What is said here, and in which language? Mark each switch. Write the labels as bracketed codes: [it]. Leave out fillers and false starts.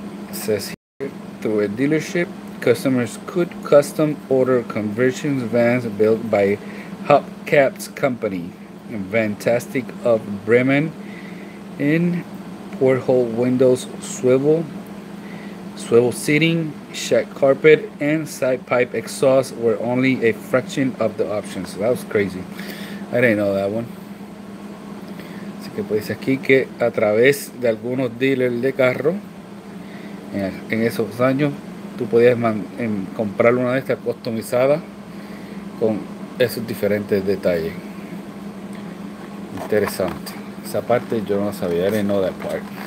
[en] It says here, through a dealership, customers could custom order conversions vans built by Hubcaps Company and Fantastic of Bremen in porthole windows swivel seating, shag carpet, and side pipe exhaust were only a fraction of the options. So that was crazy. I didn't know that one. [es] Así que pues aquí que a través de algunos dealers de carro, en esos años, tú podías comprar una de estas customizadas con esos diferentes detalles. Interesante. Esa parte yo no sabía. [en] I didn't know that part.